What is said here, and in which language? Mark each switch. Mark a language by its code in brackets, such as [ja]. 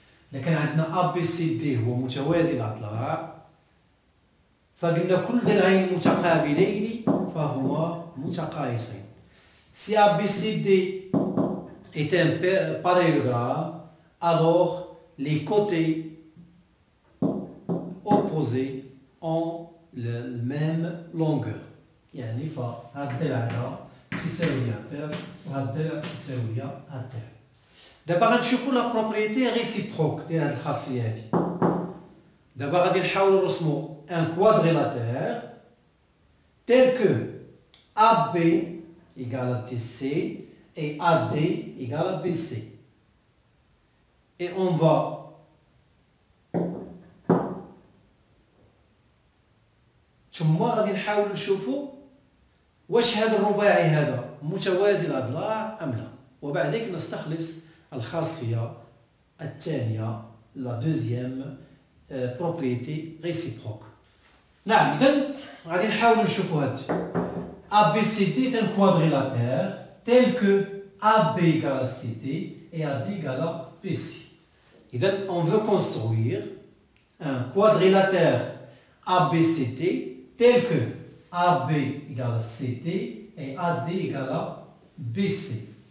[fr] Si on a A, B, C, D, on a choisi la barre. [ar] فقلنا كل درعين متقابلين فهما متقايسين. [fr] Si A, B, C, D est un parallélogramme, alors les côtés opposés ont la même longueur. [ar] يعني فهاد الدرع في يساوي الدرع وهاد الدرع يساوي الدرع. دابا غنشوفوا لا بروبريتي ريسيبروك ديال هاد الخاصية هادي. دابا غادي نحاول نرسمو [fr] un quadrilatère tel que AB égale à TC et AD égale à BC. Et on va [ar] ثم غادي نحاول نشوفو واش هذا الرباعي هذا متوازي الأضلاع أم لا، وبعد ذلك نستخلص الخاصية الثانية لا دوزيام بروبريتي ريسيبروك. نعم، إذن غادي نحاول نشوفو هاد [fr] A, B, C, D est un quadrilatère tel que AB égale à CD et AD égale à BC. Et donc, on veut construire un quadrilatère ABCD tel que AB égale à CD et AD égale à BC.